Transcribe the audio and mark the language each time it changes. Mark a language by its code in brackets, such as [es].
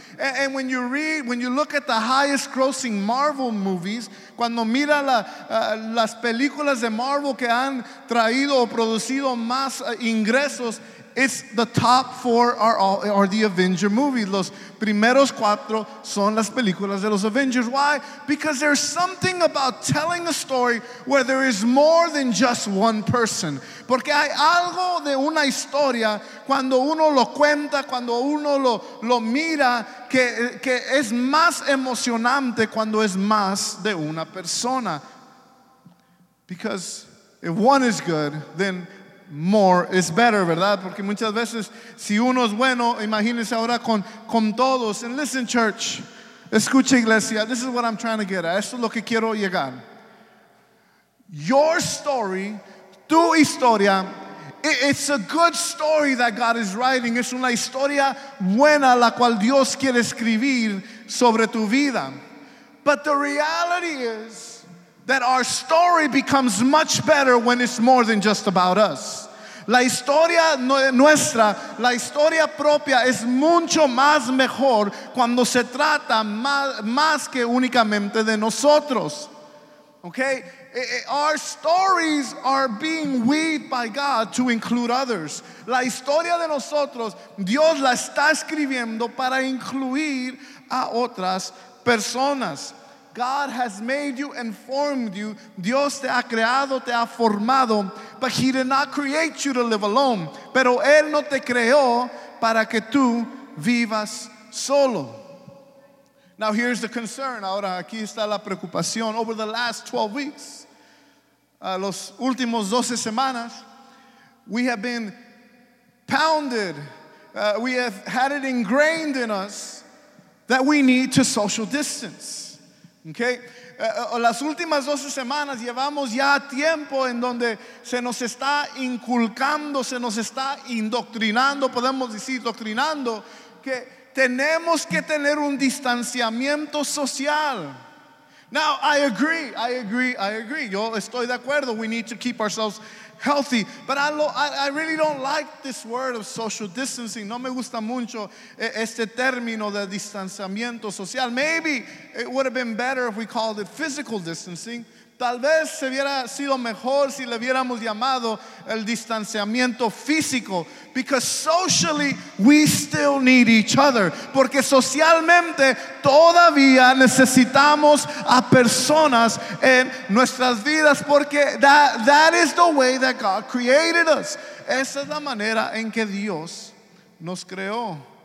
[en] And when you read, when you look at the highest grossing Marvel movies, [es] cuando mira las películas de Marvel que han traído o producido más ingresos, [en] it's the top four are the Avenger movies. [es] Los primeros cuatro son las películas de los Avengers. [en] Why? Because there's something about telling a story where there is more than just one person. [es] Porque hay algo de una historia cuando uno lo cuenta, cuando uno lo mira, que es más emocionante cuando es más de una persona. [en] Because if one is good, then more is better, ¿verdad? [es] Porque muchas veces, si uno es bueno, imagínense ahora con todos. [en] And listen, church. [es] Escucha, iglesia. [en] This is what I'm trying to get at. [es] Esto es lo que quiero llegar. [en] Your story, [es] tu historia, [en] it's a good story that God is writing. [es] Es una historia buena la cual Dios quiere escribir sobre tu vida. [en] But the reality is that our story becomes much better when it's more than just about us. [es] La historia nuestra, la historia propia, es mucho más mejor cuando se trata más que únicamente de nosotros. [en] Okay? Our stories are being weaved by God to include others. [es] La historia de nosotros, Dios la está escribiendo para incluir a otras personas. [en] God has made you and formed you. [es] Dios te ha creado, te ha formado. [en] But he did not create you to live alone. [es] Pero él no te creó para que tú vivas solo. [en] Now here's the concern. [es] Ahora aquí está la preocupación. [en] Over the last 12 weeks, [es] los últimos 12 semanas, [en] we have been pounded. We have had it ingrained in us that we need to social distance. Okay, [es] las últimas 12 semanas llevamos ya tiempo en donde se nos está inculcando, se nos está indoctrinando, podemos decir doctrinando, que tenemos que tener un distanciamiento social. [en] Now, I agree. [es] Yo estoy de acuerdo. [en] We need to keep ourselves healthy. But I really don't like this word of social distancing. [es] No me gusta mucho este término de distanciamiento social. [en] Maybe it would have been better if we called it physical distancing. [es] Tal vez se hubiera sido mejor si le hubiéramos llamado el distanciamiento físico. [en] Because socially, we still need each other. [es] Porque socialmente, todavía necesitamos a personas en nuestras vidas. Porque [en] that is the way that God created us. [es] Esa es la manera en que Dios nos creó.